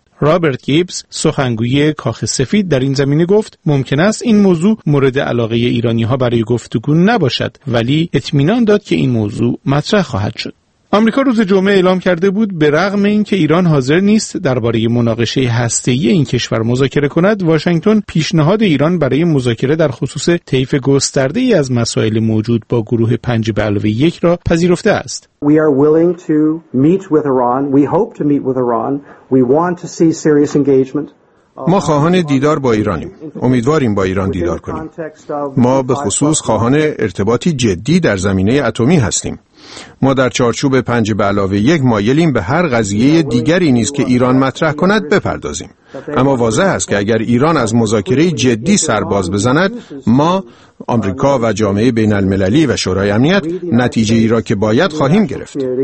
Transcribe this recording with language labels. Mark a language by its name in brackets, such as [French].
[Persian] رابرت گیبز، سخنگوی کاخ سفید، در این زمینه گفت ممکن است این موضوع مورد علاقه ایرانی ها برای گفتگو نباشد، ولی اطمینان داد که این موضوع مطرح خواهد شد. آمریکا روز جمعه اعلام کرده بود به رغم اینکه ایران حاضر نیست درباره مناقشه هسته‌ای این کشور مذاکره کند، واشنگتن پیشنهاد ایران برای مذاکره در خصوص طیف گسترده‌ای از مسائل موجود با گروه 5 به علاوه 1 را پذیرفته است. [English] We are willing to meet with Iran. We hope to meet with Iran. We want to see serious engagement. [Persian] ما خواهان دیدار با ایرانیم. امیدواریم با ایران دیدار کنیم. ما به خصوص خواهان ارتباطی جدی در زمینه اتمی هستیم. ما در چارچوب 5 به علاوه 1 مایلیم به هر قضیه دیگری نیز که ایران مطرح کند بپردازیم. اما واضح است که اگر ایران از مذاکره جدی سرباز بزند، ما، آمریکا و جامعه بین المللی و شورای امنیت نتیجه ای را که باید خواهیم گرفت.